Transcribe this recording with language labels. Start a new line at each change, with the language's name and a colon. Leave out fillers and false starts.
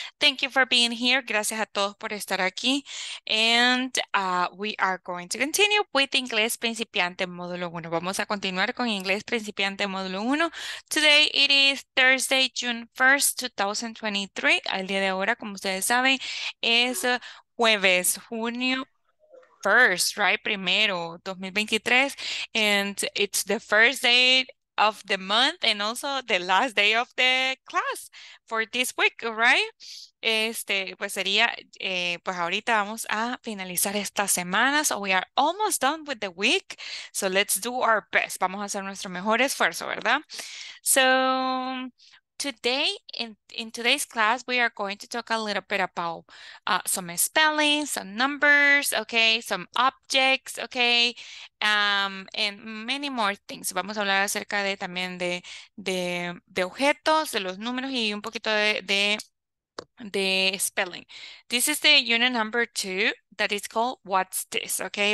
English: Thank you for being here.
Spanish: Gracias a todos por estar aquí.
English: And we are going to continue with Inglés Principiante Módulo 1.
Spanish: Vamos a continuar con Inglés Principiante Módulo 1.
English: Today it is Thursday, June 1st, 2023.
Spanish: El día de ahora, como ustedes saben, es jueves, junio.
English: First, right? Primero, 2023. And it's the first day of the month and also the last day of the class for this week, right?
Spanish: Pues sería, pues ahorita vamos a finalizar esta semana.
English: So we are almost done with the week. So let's do our best.
Spanish: Vamos a hacer nuestro mejor esfuerzo, ¿verdad?
English: So today, in today's class, we are going to talk a little bit about some spelling, some numbers, okay, some objects, okay, and many more things.
Spanish: Vamos a hablar acerca de también de objetos, de los números y un poquito de spelling.
English: This is the unit number 2 that is called What's This, okay?